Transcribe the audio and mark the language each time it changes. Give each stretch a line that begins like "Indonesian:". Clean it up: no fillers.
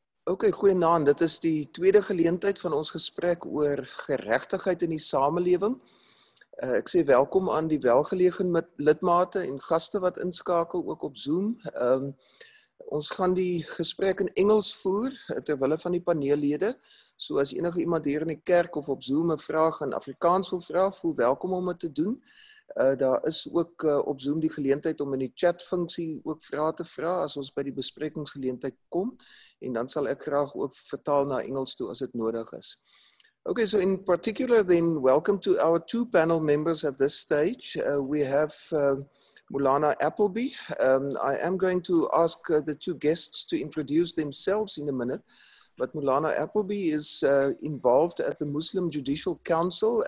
Afrikaans: Ok, goeie naam, dit is die tweede geleentheid van ons gesprek oor geregtigheid in die samelewing. Ek sê welkom aan die welgelegen met lidmate en gaste wat inskakel ook op Zoom. Ons gaan die gesprek in Engels voer terwille van die paneellede. So as enige iemand hier in die kerk of op Zoom een vraag in Afrikaans wil vraag, voel welkom om het te doen. Daar is ook op Zoom die geleentheid om in die chatfunksie ook vraag te vraag as ons by die besprekingsgeleentheid kom. En dan sal ek graag ook vertaal na Engels toe as het nodig is.
English: Okay, so in particular then, welcome to our two panel members at this stage. We have Maulana Appleby. I am going to ask the two guests to introduce themselves in a minute. But Maulana Appleby is involved at the Muslim Judicial Council.